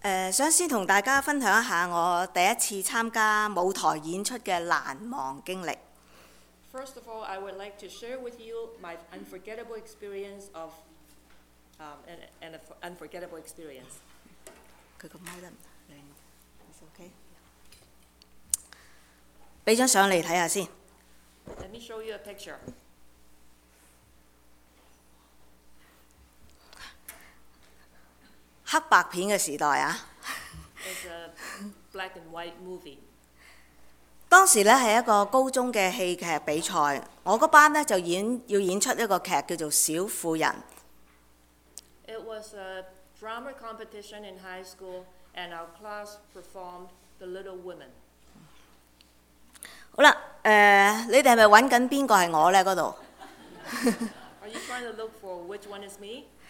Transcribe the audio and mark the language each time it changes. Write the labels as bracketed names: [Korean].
[Cantonese] 想先同大家分享一下我第一次參加舞台演出嘅難忘經歷。 [English] First of all, I would like to share with you my unforgettable experience of an unforgettable experience. [Cantonese] 佢個麥得唔靚 ？ [English] Is okay？ [Cantonese] 俾張相嚟睇下先。 [English] Let me show you a picture. [Cantonese] 黑白片的時代啊 [English] ，It's a black and white movie。 [Cantonese] 當時咧係一個高中嘅戲劇比賽，我嗰班咧就要演出一個劇叫做《小婦人》。 [English] It was a drama competition in high school, and our class performed The Little Women。 [Cantonese] 好啦，你哋係咪揾緊邊個係我咧？嗰度 [English] ？Are you trying to look for which one is me？